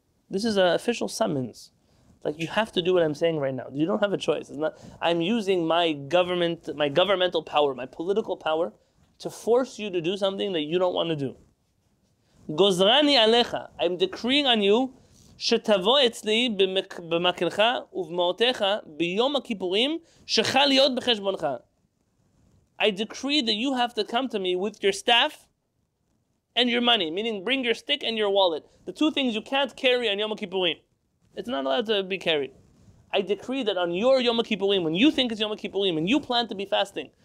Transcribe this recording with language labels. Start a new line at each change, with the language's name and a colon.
English: This is an official summons. Like, you have to do what I'm saying right now. You don't have a choice. It's not, I'm using my governmental power, my political power, to force you to do something that you don't want to do.
Hebrew: Gozrani alecha,
English: I'm decreeing on you,
Hebrew: שתבוא אצלי במקלך ובמעותיך ביום הכיפורים שכה להיות בחשבונך.
English: I decree that you have to come to me with your staff and your money, meaning bring your stick and your wallet, the two things you can't carry on Yom Kippurim. It's not allowed to be carried. I decree that on your Yom Kippurim, when you think it's Yom Kippurim and you plan to be fasting,